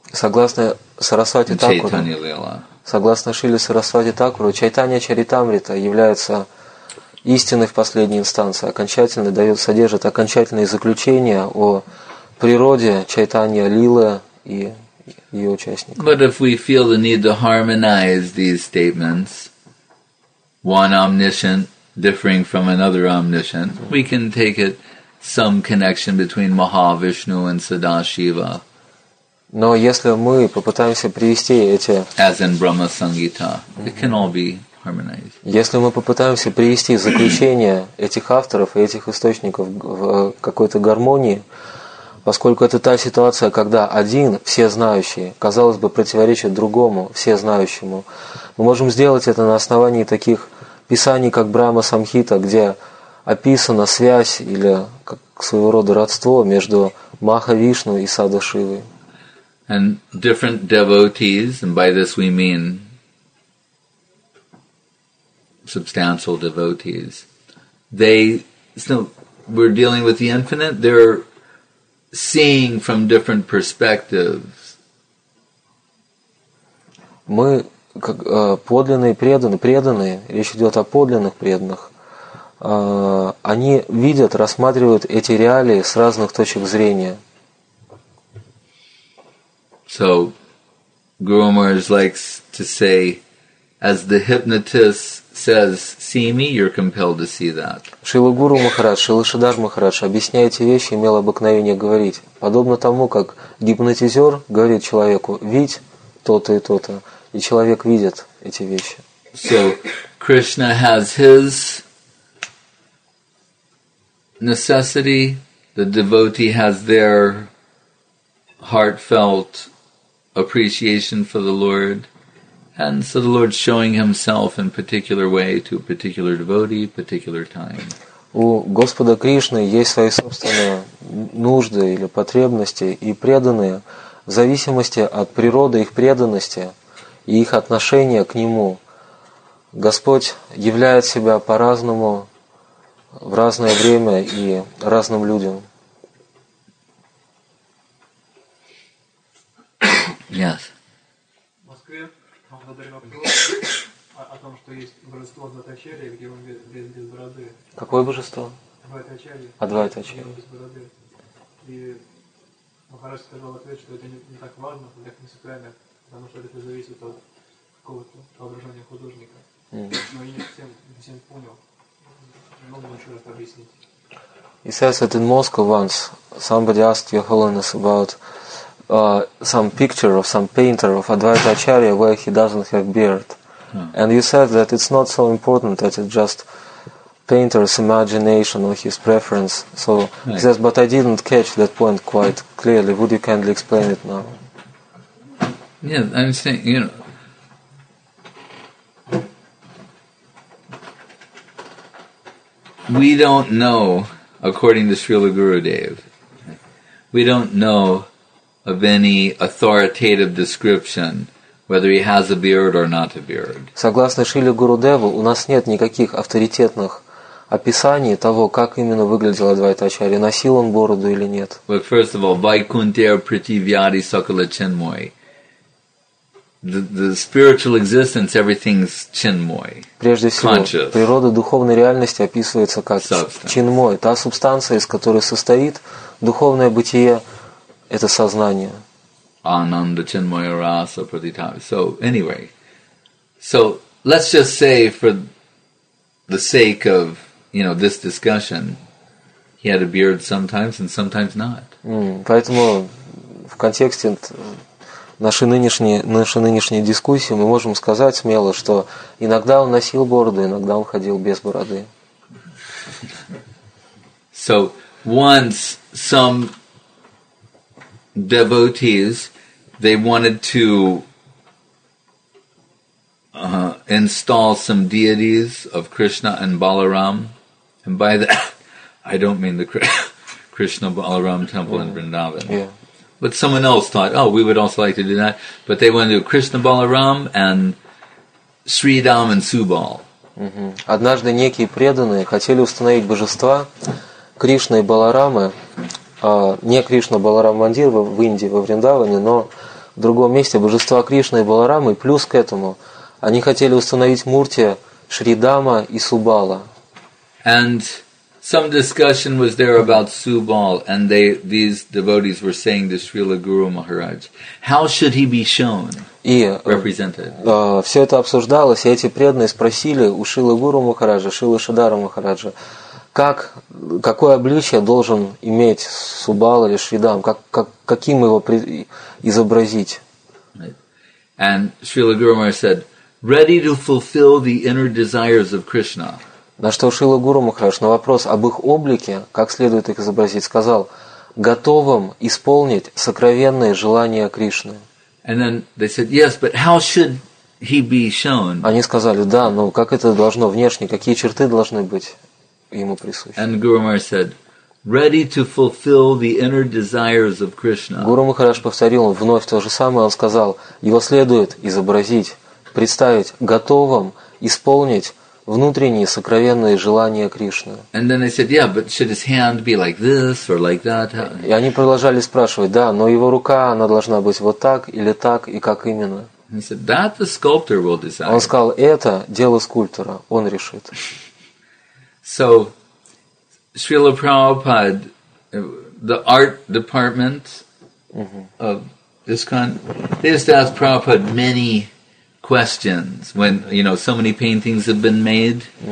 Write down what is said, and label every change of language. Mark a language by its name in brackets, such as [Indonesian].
[Russian] Согласно Сарасвати Такуру, согласно Шриле Сарасвати Такуру, Чайтанья Чаритамрита является истиной в последней инстанции, окончательно дает, содержит окончательное заключение о природе Чайтанья Лилы и ее участников. [English] But if we feel the need to harmonize these statements, one omniscient differing from another omniscient, we can take it some connection between Mahavishnu and Sadashiva. [Russian] Но если мы попытаемся привести эти... [English] As in Brahma Sangita, it can all be harmonized. [Russian] Если мы попытаемся привести заключение этих авторов и этих источников в какой-то гармонии, поскольку это та ситуация, когда один всезнающий, казалось бы, противоречит другому всезнающему, мы можем сделать это на основании таких писаний, как Брахма Самхита, где описана связь или как своего рода родство между Махавишну и Садашивой. [English] And different devotees, and by this we mean substantial devotees, we're dealing with the infinite, they're seeing from different perspectives. [Russian] Мы как подлинные преданные, речь идет о подлинных преданных, они видят, рассматривают эти реалии с разных точек зрения. [English] So, Guru Maharaj likes to say, as the hypnotist says, see me, you're compelled to see that. [Russian] Шрила Гуру Махарадж, Шрила Шридхар Махарадж объясняя эти вещи, имел обыкновение говорить. Подобно тому, как гипнотизер говорит человеку, видь то-то и то-то, и человек видит эти вещи. [English] So, Krishna has his necessity, the devotee has their heartfelt appreciation for the Lord, and so the Lord's showing himself in particular way to a particular devotee, particular time. [Russian] У Господа Кришны есть свои собственные нужды или потребности, и преданные, в зависимости от природы их преданности и их отношения к Нему, Господь являет себя по-разному в разное время и разным людям. [English] Yes. [Russian] В Москве вам задали вопрос о том, что есть божество Адвайтачарья, где он без бороды. Какое божество? Адвайтачарья. Без бороды. И Махарадж сказал ответ, что это не так важно, для них не принципиально, потому что это зависит от какого-то воображения художника. Но я не совсем понял. Нужно еще раз объяснить. [English] He says that in Moscow once somebody asked Your Holiness about some picture of some painter of Advaita Acharya where he doesn't have beard. No. And you said that it's not so important, that it's just painter's imagination or his preference. So, right. Yes, but I didn't catch that point quite clearly. Would you kindly explain it now? Yeah, I'm saying, you know, we don't know, according to Srila Gurudev, we don't know of any authoritative description, whether he has a beard or not a beard. [Russian] Согласно Шриле Гурудеву, у нас нет никаких авторитетных описаний того, как именно выглядел Адвайта Ачарья, носил он бороду или нет. [English] But first of all, [Sanskrit] Vaikunthe prithivyadi sakala chinmoy. [English] The spiritual existence, everything's chinmoy. [Russian] Прежде всего, природа духовной реальности описывается как чинмой, та субстанция, из которой состоит духовное бытие. Это сознание. [Sanskrit] Ananda chinmaya rasa pratitam. [English] So anyway, so let's just say for the sake of, you know, this discussion, he had a beard sometimes and sometimes not. [Russian] Поэтому в контексте нашей нынешней дискуссии мы можем сказать смело, что иногда он носил бороду, иногда он ходил без бороды. [English] So once some devotees, they wanted to install some deities of Krishna and Balaram. And by that, I don't mean the Krishna Balaram temple in Vrindavan. Yeah. But someone else thought, oh, we would also like to do that. But they wanted to do Krishna Balaram and Sri Dham and Subal. [Russian] Однажды некие преданные хотели установить божества Кришны и Баларамы, не Кришна Баларам Мандир в Индии, во Вриндаване, но в другом месте божества Кришны и Баларамы. Плюс к этому они хотели установить мурти Шри Дама и Субала. [English] And some discussion was there about Subal, and they, these devotees were saying to Srila Guru Maharaj, how should he be shown, represented? [Russian] Все это обсуждалось, и эти преданные спросили у Шрилы Гуру Махараджа, Шрилы Шридхара Махараджа, как, какое обличие должен иметь Субал или Шридам, каким его изобразить? [English] And Srila Guru Maharaj said, ready to fulfill the inner desires of Krishna. [Russian] На что Шрила Гуру Махарадж на вопрос об их облике, как следует их изобразить, сказал, готовым исполнить сокровенные желания Кришны. [English] And then they said, yes, but how should he be shown? [Russian] Они сказали, да, но как это должно внешне, какие черты должны быть ему присущи? [English] And Guru Maharaj said, ready to fulfill the inner desires of Krishna. [Russian] Гуру Махарадж повторил вновь то же самое, он сказал, его следует изобразить, представить готовым исполнить внутренние сокровенные желания Кришны. [English] And then they said, yeah, but should his hand be like this or like that? [Russian] И они продолжали спрашивать, да, но его рука, она должна быть вот так или так и как именно? [English] He said, that the sculptor will decide. [Russian] Он сказал, это дело скульптора, он решит. [English] So, Srila Prabhupada, the art department of ISKCON, they just asked Prabhupada many questions when, you know, so many paintings have been made.